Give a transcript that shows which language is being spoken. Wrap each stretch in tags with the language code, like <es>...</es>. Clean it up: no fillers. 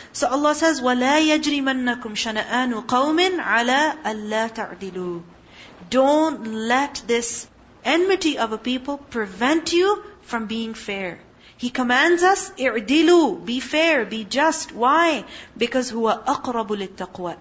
<ar>So Allah says, وَلَا يَجْرِمَنَّكُمْ شَنَآنُ قَوْمٍ عَلَىٰ أَلَّا تَعْدِلُوا.</ar> <en>Don't let this enmity of a people prevent you from being fair. He commands us, اِعْدِلُوا. Be fair, be just. Why?</en> <ar>Because هُوَ أَقْرَبُ لِلتَّقْوَى.</ar>